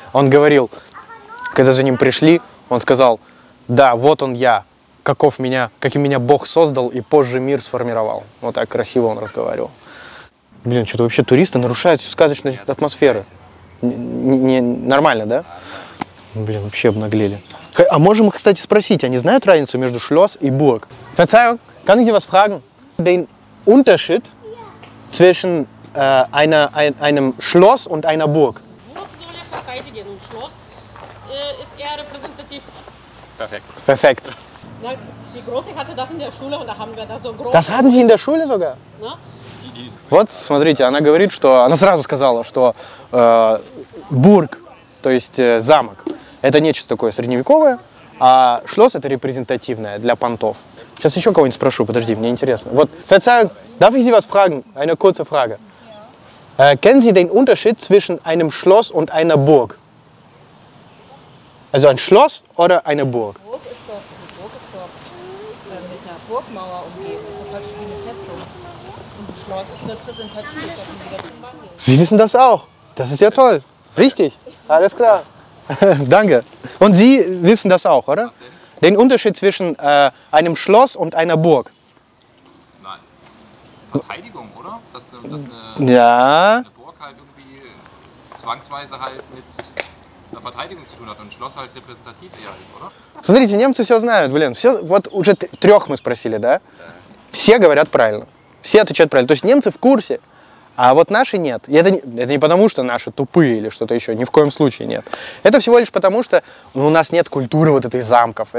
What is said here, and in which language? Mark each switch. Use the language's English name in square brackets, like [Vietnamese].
[Russian] Он говорил, когда за ним пришли, он сказал, да, вот он я, каким меня Бог создал и позже мир сформировал. Вот так красиво он разговаривал. Блин, что-то вообще туристы нарушают всю сказочную атмосферу. Нормально, да? Блин, вообще обнаглели. А можем их, кстати, спросить, они знают разницу между Шлосс и Бург? [German] Verzeihung, kann ich Sie was fragen? Den Unterschied zwischen einem Schloss und einer Burg? Burg soll ja verteidigen und Schloss ist eher repräsentativ. Perfekt. Na, die Große hatte das in der Schule und da haben wir das so groß. Das hatten Sie in der Schule sogar? Na? [Russian] Вот, смотрите, она говорит, что... Она сразу сказала, что Бург, то есть замок, это нечто такое средневековое, А Шлёс — это репрезентативное для понтов. Сейчас еще кого-нибудь спрошу, подожди, мне интересно. [German] Вот, Verzeihung, darf ich Sie was fragen? Eine kurze Frage. Ja. Kennen Sie den Unterschied zwischen einem Schloss und einer Burg? Also ein Schloss oder eine Burg? Sie wissen das auch. Das ist ja toll. Richtig. Alles klar. Danke. Und Sie wissen das auch, oder? Den Unterschied zwischen einem Schloss und einer Burg. Nein. Verteidigung, oder? Dass eine Burg halt irgendwie zwangsweise halt mit einer Verteidigung zu tun hat. Und Schloss halt repräsentativ eher ist, oder? [Russian] Смотрите, немцы все знают, блин. Все, вот уже трех мы спросили, да? Все говорят правильно. Все отвечают правильно. То есть немцы в курсе, а вот наши нет. И это не потому, что наши тупые или что-то еще. Ни в коем случае нет. Это всего лишь потому, что у нас нет культуры вот этой замков.